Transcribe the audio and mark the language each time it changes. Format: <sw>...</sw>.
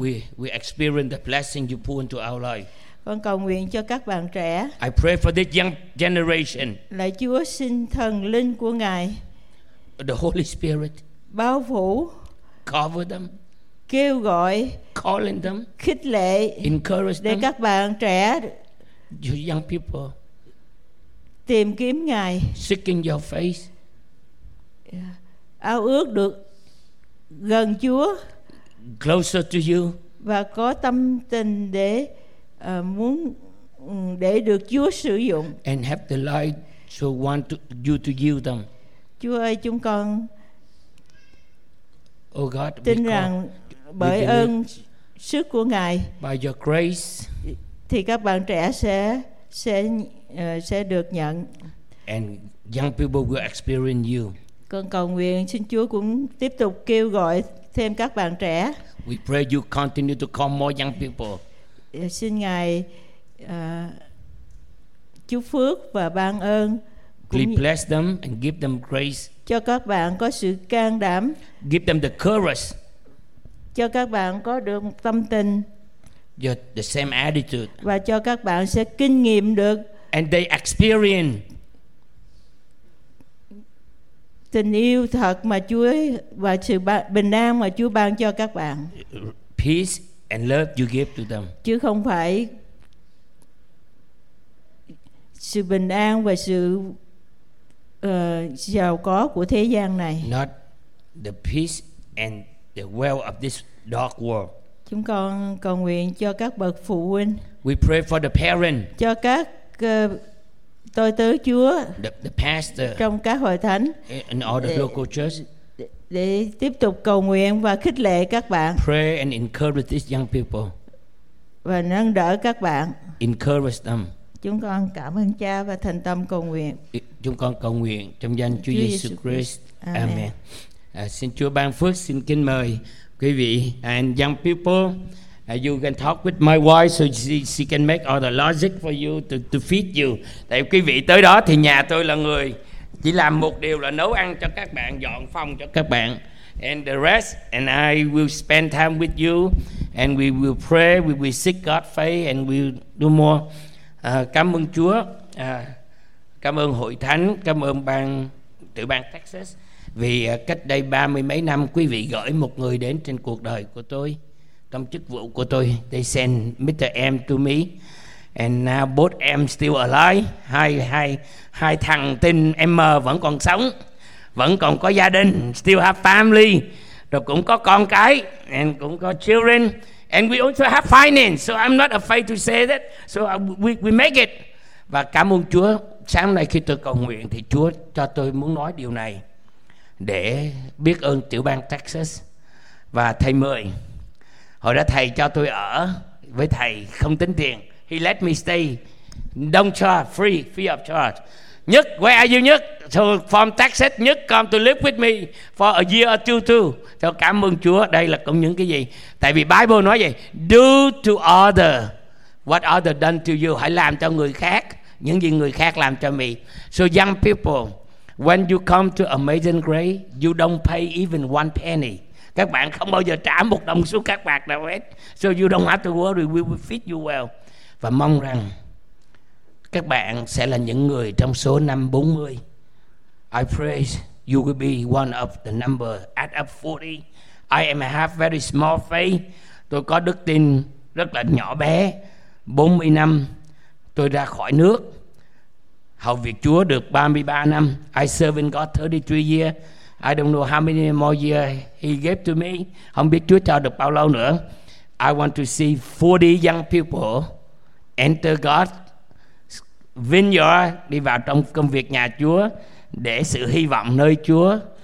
<en>We experience the blessing you put into our life.</en> <vi>Con cầu nguyện cho các bạn trẻ.</vi> <en>I pray for this young generation.</en> <vi>Lạy Chúa, xin thần linh của Ngài,</vi> <en>the Holy Spirit,</en> <vi>bao phủ,</vi> <en>cover them,</en> <vi>kêu gọi,</vi> <en>calling them,</en> <vi>khích lệ,</vi> <en>encourage</en> <vi>để</vi> <en>them,</en> <vi>các bạn trẻ,</vi> <en>your young people,</en> <vi>tìm kiếm Ngài,</vi> <en>seeking your face,</en> <vi>ao ước được gần Chúa,</vi> <en>closer to you,</en> <vi>và có tâm tình để muốn để được Chúa sử dụng,</vi> <en>and have the light so want to, you to yield them.</en> <vi>Chúa ơi, chúng con</vi> <en>oh God,</en> <vi>tin rằng bởi ơn sức của Ngài,</vi> <en>by your grace,</en> <vi>thì các bạn trẻ sẽ được nhận,</vi> <en>and young people will experience you,</en> <vi>Con cầu nguyện xin Chúa cũng tiếp tục kêu gọi thêm các bạn trẻ.</vi> <en>We pray you continue to call more young people.</en> <vi>Xin Ngài chúc phước và ban ơn.</vi> <en>Please bless them and give them grace.</en> <vi>Cho các bạn có sự can đảm.</vi> <en>Give them the courage.</en> <vi>Cho các bạn có được một tâm tình.</vi> <en>The same attitude.</en> <vi>Và cho các bạn sẽ kinh nghiệm được.</vi> <en>And they experience.</en> <vi>Tình yêu thật mà Chúa và sự bình an mà Chúa ban cho các bạn.</vi> <en>Peace and love you give to them.</en> <vi>Chứ không phải sự bình an và sự giàu có của thế gian này.</vi> <en>Not the peace and the wealth of this dark world.</en> <vi>Chúng con cầu nguyện cho các bậc phụ huynh.</vi> <en>We pray for the parent.</en> <vi>Cho các tôi tớ Chúa.</vi> <en>The pastor.</en> <vi>Trong các hội thánh.</vi> <en>In all the local church.</en> <vi>Để tiếp tục cầu nguyện và khích lệ các bạn.</vi> <en>Pray and encourage these young people.</en> <vi>Và nâng đỡ các bạn.</vi> <en>Encourage them.</en> <vi>Chúng con cảm ơn Cha và thành tâm cầu nguyện. Chúng con cầu nguyện trong danh Chúa Giêsu Christ. Amen. Xin Chúa ban phước, xin kính mời quý vị</vi> <en>and young people, you can talk with my wife so she can make all the logic for you to feed you.</en> <vi>Tại quý vị tới đó thì nhà tôi là người chỉ làm một điều là nấu ăn cho các bạn, dọn phòng cho các bạn.</vi> <en>And the rest, and I will spend time with you, and we will pray, we will seek God's face, and we'll do more.</en> <vi>Cảm ơn Chúa, cảm ơn Hội Thánh, cảm ơn ban tiểu bang Texas. Vì cách đây 30 mấy năm quý vị gửi một người đến trên cuộc đời của tôi, trong chức vụ của tôi.</vi> <en>They send Mr. M to me. And now both M still alive.</en> <vi>Hai thằng tên M vẫn còn sống, vẫn còn có gia đình,</vi> <en>still have family.</en> <vi>Rồi cũng có con cái, and cũng có children.</vi> <en>And we also have finance, so I'm not afraid to say that. So we make it.</en> <vi>Và cảm ơn Chúa, sáng nay khi tôi cầu nguyện thì Chúa cho tôi muốn nói điều này để biết ơn tiểu bang Texas và thầy Mười. Hồi đó thầy cho tôi ở với thầy không tính tiền.</vi> <en>He let me stay, don't charge, free of charge. Nhất, where are you Nhất? So from Texas, Nhất come to live with me for a year or two too.</en> <vi>So cảm ơn Chúa, đây là cũng những cái gì. Tại vì Bible nói vậy,</vi> <en>do to other what other done to you.</en> <vi>Hãy làm cho người khác những gì người khác làm cho mình.</vi> <en>So young people, when you come to Amazing Grace, you don't pay even one penny.</en> <vi>Các bạn không bao giờ trả một đồng xu các bạn nào hết.</vi> <en>So you don't have to worry, we will feed you well.</en> <vi>Và mong rằng các bạn sẽ là những người trong số 40.</vi> <en>I pray you will be one of the number add up 40. I am have very small faith.</en> <vi>Tôi có đức tin rất là nhỏ bé. 40 năm tôi ra khỏi nước. Hầu việc Chúa được 33 năm.</vi> <en>I serve in God 33 years. I don't know how many more years he gave to me.</en> <vi>Không biết Chúa cho được bao lâu nữa.</vi> <en>I want to see 40 young people enter God vineyard,</en> <vi>đi vào trong công việc nhà Chúa, để sự hy vọng nơi Chúa.</vi>